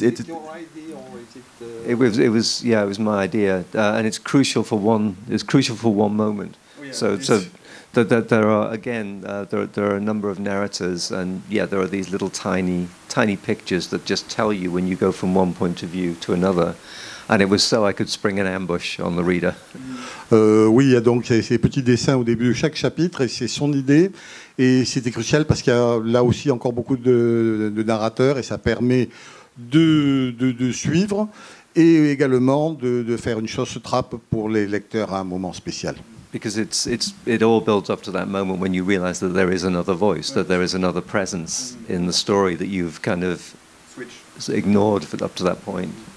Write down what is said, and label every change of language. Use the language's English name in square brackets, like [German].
[English] your idea, or it was my idea, and it's crucial for one moment. There are a number of narrators, and yeah, there are these little tiny pictures that just tell you when you go from one point of view to another, and it was so I could spring an ambush on the reader. [French] Oui, il y a donc ces petits dessins au début de chaque chapitre, et c'est son idée, et c'était crucial parce qu'il y a là aussi encore beaucoup de narrateurs, et ça permet de suivre et également de faire une chausse-trappe pour les lecteurs à un moment spécial. [English] Because it all builds up to that moment when you realize that there is another voice, that there is another presence in the story that you've kind of ignored up to that point.